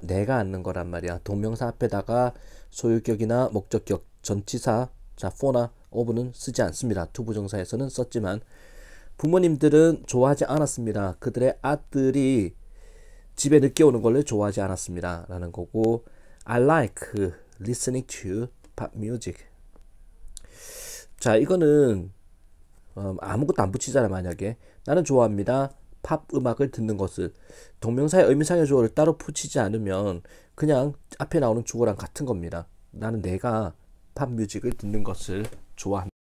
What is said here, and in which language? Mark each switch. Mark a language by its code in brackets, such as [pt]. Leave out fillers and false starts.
[ko] 내가 앉는 거란 말이야. 동명사 앞에다가 소유격이나 목적격, 전치사, 자, for나 of는 쓰지 않습니다. to 부정사에서는 썼지만 부모님들은 좋아하지 않았습니다. 그들의 아들이 집에 늦게 오는 걸 좋아하지 않았습니다. 라는 거고, [en] I like listening to pop music. [ko] 자, 이거는 아무것도 안 붙이잖아. 만약에 나는 좋아합니다 팝 음악을 듣는 것을, 동명사의 의미상의 주어를 따로 붙이지 않으면 그냥 앞에 나오는 주어랑 같은 겁니다. 나는 내가 팝 뮤직을 듣는 것을 좋아합니다.